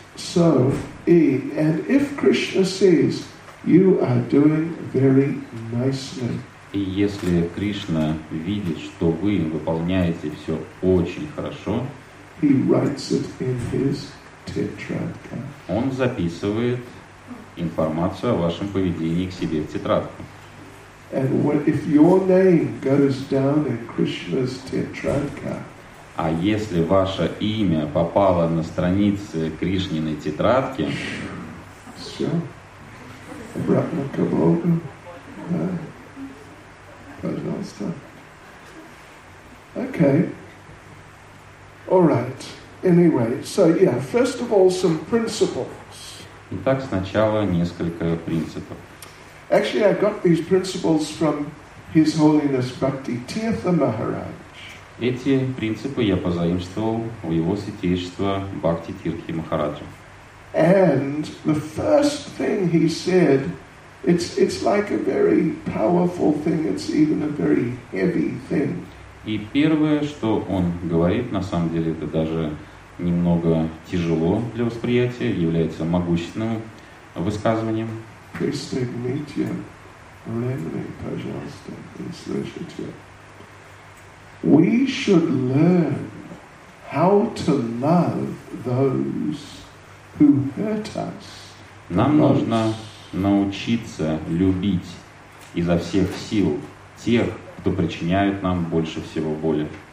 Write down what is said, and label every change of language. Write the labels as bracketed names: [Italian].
[English] So, and if Krishna sees, you are doing very nicely. [Russian] И если Кришна видит, что вы выполняете все очень хорошо, [English] He writes it in his tetradka. [Russian] Он записывает информацию о вашем поведении к себе в тетрадку. [English] And what if your name goes down in Krishna's tetradka? [Russian] А если ваше имя попало на страницы Кришниной тетрадки? Все. Обратно к Богу. Пожалуйста. [English] Okay. All right. Anyway, so yeah, first of all, some principles. [Russian] Итак, сначала несколько принципов. [English] Actually, I got these principles from His Holiness Bhakti Tirtha Maharaj. [Russian] Эти принципы я позаимствовал у его святейшества Бхакти Тирхи Махараджа. [English] And the first thing he said, it's like a very powerful thing, it's even a very heavy thing. [Russian] И первое, что он говорит, на самом деле, это даже немного тяжело для восприятия, является могущественным высказыванием. Пристегните ремни, пожалуйста, и слышите. [English] We should learn how to love those who hurt us. [Russian] Нам нужно научиться любить изо всех сил тех, кто причиняет нам больше всего боли.